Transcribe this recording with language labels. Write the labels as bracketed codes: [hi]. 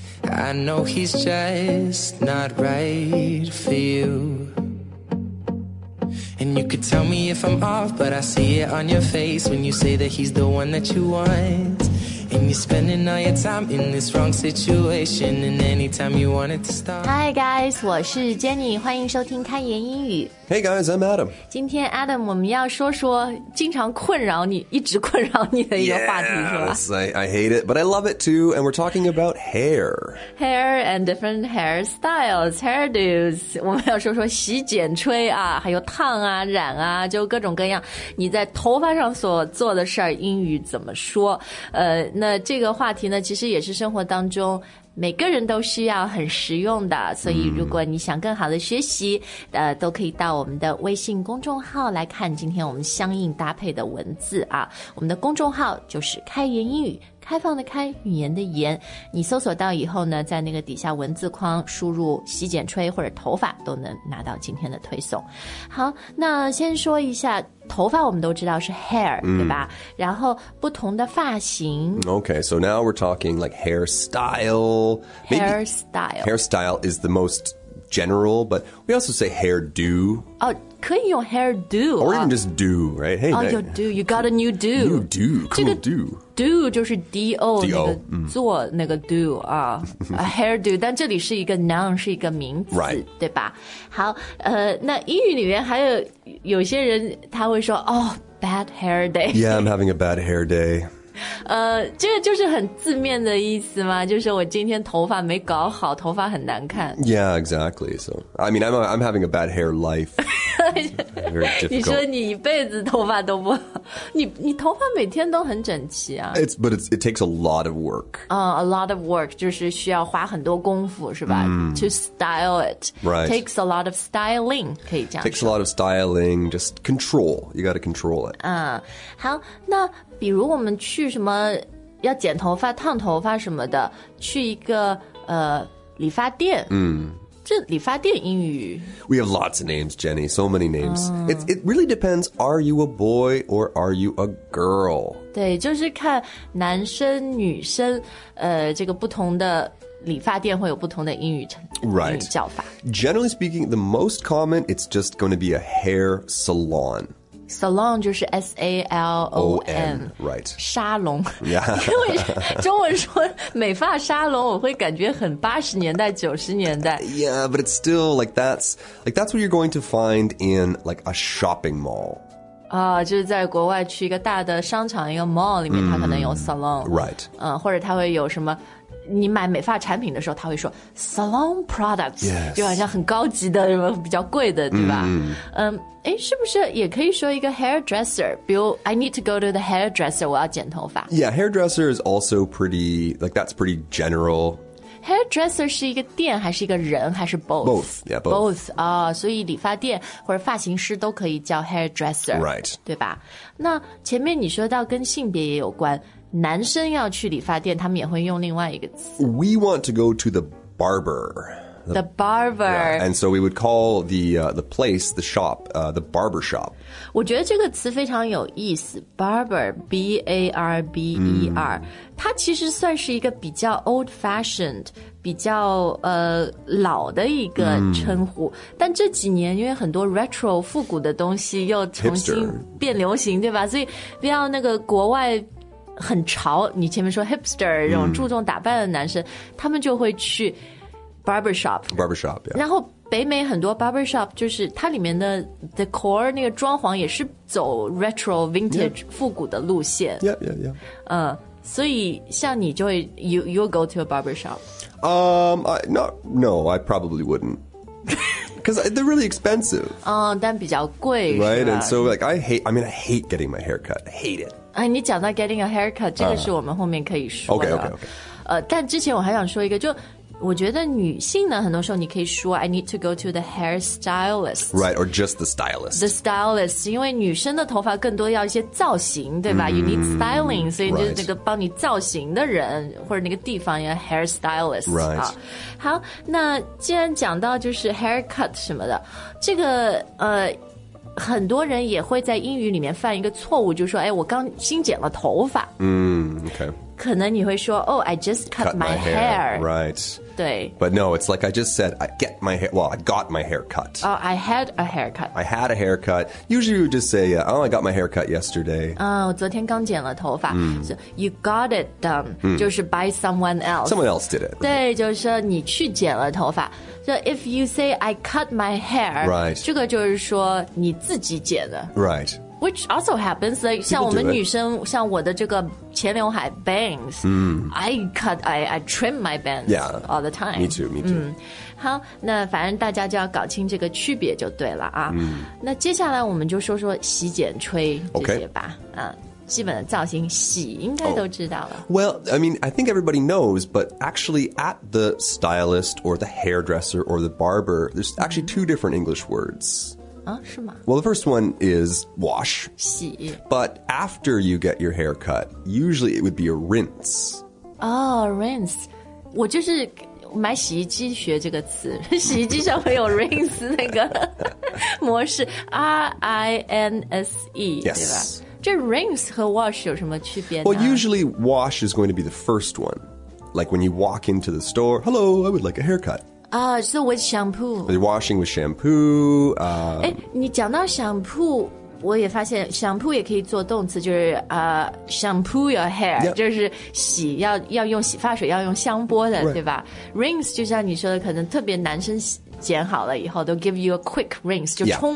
[en] I know he's just not right for you. And you could tell me if I'm off, but I see it on your face when you say that he's the one that you want. And you're spending all your time in this wrong situation, and anytime you want it to stop. Hi guys, [zh] 我是 Jenny, 欢迎收听开言英语。 [en] Hey guys, I'm Adam. [zh] 今天 Adam, 我们要说说经常困扰你，一直困扰你的一个话题，是吧？ [en] Yes, I hate it, but I love it too, and we're talking about hair. Hair and different hairstyles, hairdos. [zh] 我们要说说洗剪吹啊，还有烫啊、染啊，就各种各样你在头发上所做的事儿，英语怎么说？那这个话题呢，其实也是生活当中每个人都需要很实用的，所以如果你想更好的学习，都可以到我们的微信公众号来看今天我们相应搭配的文字啊。我们的公众号就是开言英语，开放的开，语言的言。你搜索到以后呢，在那个底下文字框输入洗剪吹或者头发，都能拿到今天的推送。好，那先说一下头发，我们都知道是 hair，对吧？然后不同的发型。 [en] Okay, so now we're talking like hairstyle. Hairstyle. Hairstyle is the most general, but we also say hairdo. [zh] Oh,可以用 hair do. [en] Or even just do, right? Hey, oh, your do. You got a new do. New do. Cool do. [zh] Do 就是 D-O, 那个做那个 do. [en] A hair do. [zh] 但这里是一个 noun, 是一个名词。 [en] Right. [zh] 对吧？好，那英语里面还有有些人他会说 [en] oh, bad hair day. Yeah, I'm having a bad hair day. [zh] 这个就是很字面的意思嘛，就是我今天头发没搞好，头发很难看。 [en] Yeah, exactly. So, I mean, I'm having a bad hair life. Very difficult. [zh] 你说你一辈子头发都不好，你头发每天都很整齐啊。 [en] It takes a lot of work. A lot of work, [zh] 就是需要花很多功夫，是吧？ [en] To style it. Right. Takes a lot of styling, [zh] 可以这样说。 [en] Takes a lot of styling, just control. You got to control it. [zh] 好，那比如我们去什么要剪头发烫头发什么的，去一个理发店，这理发店英语 [en] We have lots of names, Jenny, so many names. It really depends, are you a boy or are you a girl? [zh] 对，就是看男生女生，这个不同的理发店会有不同的英语叫法。 [en] Generally speaking, the most common, it's just going to be a hair salon [zh] Salon 就是 S-A-L-O-N, [en] right. [zh] 沙龙、 [en] yeah. [zh] 因为中文说美发沙龙我会感觉很80年代90年代 [en] Yeah, but it's still like that's what you're going to find in like a shopping mall. [zh] 就是在国外去一个大的商场一个 mall 里面它可能有 salon. [en] Right. [zh] 或者它会有什么你买美发产品的时候他会说 salon products、 [en] yes. [zh] 就好像很高级的什么比较贵的对吧、是不是也可以说一个 hairdresser 比如 [en] I need to go to the hairdresser [zh] 我要剪头发 [en] Yeah, hairdresser is also pretty like that's pretty general [zh] Hairdresser 是一个店还是一个人还是 [en] both? Both, yeah, both. Both, [zh] 所以理发店或者发型师都可以叫 hairdresser [en] Right [zh] 对吧那前面你说到跟性别也有关男生要去理发店他们也会用另外一个词 [en] We want to go to the barber The barber、 yeah. And so we would call the place, the shop, the barber shop [zh] 我觉得这个词非常有意思 Barber, B-A-R-B-E-R、它其实算是一个比较 old fashioned 比较老的一个称呼、但这几年因为很多 retro 复古的东西又重新变流行、 [en] Hipster. [zh] 对吧所以不要那个国外很潮你前面说 hipster 这种注重打扮的男生他们就会去 barbershop、 [en] yeah. [zh] 然后北美很多 barbershop 就是它里面的 decor 那个装潢也是走 retro vintage、 [en] yeah. [zh] 复古的路线 [en] yeah, yeah, yeah. [zh] 所以像你就会 [en] you'll go to a barbershop、 I probably wouldn't because they're really expensive [zh] 但比较贵 [en] right and so like I hate getting my hair cut hate it [zh] 你讲到 [en] getting a haircut [zh] 这个是我们后面可以说的 [en] okay. [zh] 但之前我还想说一个就我觉得女性呢很多时候你可以说 [en] I need to go to the hairstylist Right, or just the stylist [zh] The stylist 因为女生的头发更多要一些造型对吧 [en] You need styling [zh] 所以就是那个帮你造型的人、 [en] right. [zh] 或者那个地方要 hairstylist、 [en] right. [zh] 好那既然讲到就是 haircut 什么的这个很多人也会在英语里面犯一个错误，就是说，哎，我刚新剪了头发。 [en] Okay. [zh] 可能你会说 [en] ，Oh, I just cut my hair. Right. [zh] 对。 [en] But no, it's like I just said, I get my hair. Well, I got my hair cut. Oh, I had a haircut. I had a haircut. Usually, you just say, Oh, I got my hair cut yesterday. [zh] 我昨天刚剪了头发。 [en] So you got it done. [zh] 就是 by someone else. [en] Someone else did it. [zh] 对，就是说你去剪了头发。 [en] So if you say I cut my hair, right. [zh] 这个就是说你自己剪的。 [en] Right. Which also happens, like, [zh] 像我们女生，像我的这个前刘海 [en] bangs,、I trim my bangs、 yeah, all the time. Me too, me too.、 [zh] 好，那反正大家就要搞清这个区别就对了啊。那接下来我们就说说洗剪吹这些吧。基本的造型洗应该都知道了。 [en] Well, I mean, I think everybody knows, but actually at the stylist or the hairdresser or the barber, there's actually two different English words. Well, the first one is wash. [zh] 洗 [en] But after you get your hair cut, usually it would be a rinse. Oh, rinse. [zh] 我就是买洗衣机学这个词。洗衣机上会有 rinse 那个模式。 [en] R-I-N-S-E, yes. [zh] 对吧？这 rinse 和 wash 有什么区别呢？ [en] Well, usually wash is going to be the first one. Like when you walk into the store, hello, I would like a haircut. So with shampoo. You're washing with shampoo. [zh] 你讲到 shampoo, 我也发现 shampoo 也可以做动词，就是 [en] shampoo your hair,、 yep. [zh] 就是洗 要用洗发水，要用香波的、 [en] right. [zh] 对吧 ?Rinse, 就像你说的，可能特别男生剪好了以后都 [en] give you a quick rinse, [zh] 就冲、